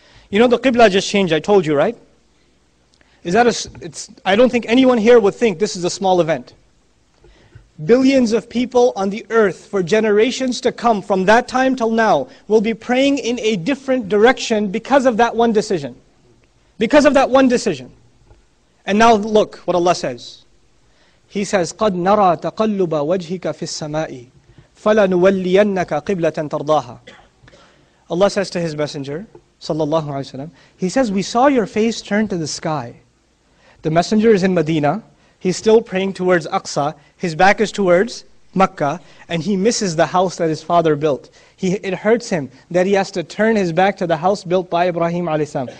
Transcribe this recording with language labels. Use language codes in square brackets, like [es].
[en] You know, the Qibla just changed. I told you, right? I don't think anyone here would think this is a small event. Billions of people on the earth for generations to come from that time till now will be praying in a different direction because of that one decision. Because of that one decision. And now look what Allah says. He says, [ar] قَدْ نَرَى تَقَلُّبَ وَجْهِكَ فِي السَّمَاءِ فَلَنُوَلِّيَنَّكَ قِبْلَةً تَرْضَاهَا. [en] Allah says to His Messenger, sallallahu alayhi wa sallam, He says, we saw your face turned to the sky. The Messenger is in Medina, he's still praying towards Aqsa, his back is towards Makkah, and he misses the house that his father built. It hurts him that he has to turn his back to the house built by Ibrahim alayhi salam.